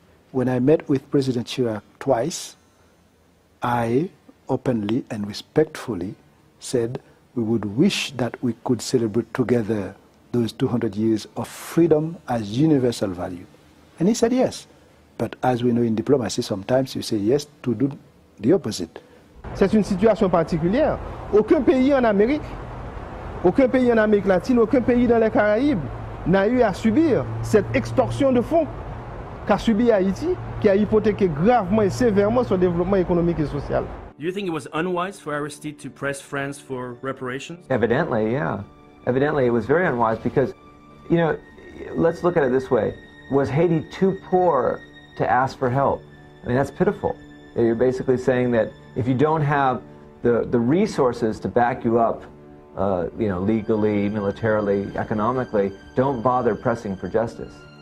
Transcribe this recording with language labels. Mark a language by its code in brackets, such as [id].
[en] When I met with President Chirac twice, I openly and respectfully said, we would wish that we could celebrate together those 200 years of freedom as universal value. And he said yes. But as we know in diplomacy, sometimes you say yes to do the opposite. [fr] C'est une situation particulière. Aucun pays en Amérique, aucun pays en Amérique latine, aucun pays dans les Caraïbes n'a eu à subir cette extorsion de fonds qu'a subi Haïti, qui a hypothéqué gravement et sévèrement son développement économique et social. [en] Do you think it was unwise for Aristide to press France for reparations? Evidently, yeah. Evidently, it was very unwise because, you know, let's look at it this way. Was Haiti too poor to ask for help? I mean, that's pitiful. You're basically saying that if you don't have the resources to back you up, you know, legally, militarily, economically, don't bother pressing for justice.